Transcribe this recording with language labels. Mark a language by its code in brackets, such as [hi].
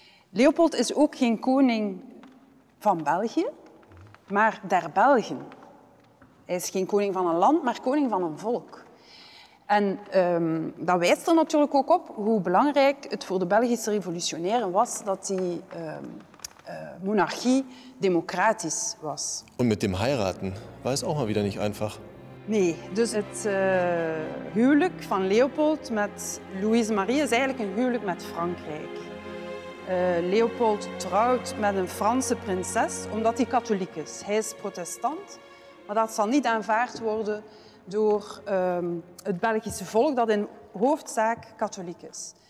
[nl] Leopold is ook geen koning van België, maar [de] der Belgen. [nl] Hij is geen koning van een land, maar koning van een volk. En dat wijst er natuurlijk ook op hoe belangrijk het voor de Belgische revolutionairen was dat die monarchie democratisch was. En met [de] dem heiraten war es auch mal wieder nicht einfach. [nl] Nee, dus het huwelijk van Leopold met Louise Marie is eigenlijk een huwelijk met Frankrijk. Leopold trouwt met een Franse prinses omdat hij katholiek is. Hij is protestant, maar dat zal niet aanvaard worden door het Belgische volk dat in hoofdzaak katholiek is.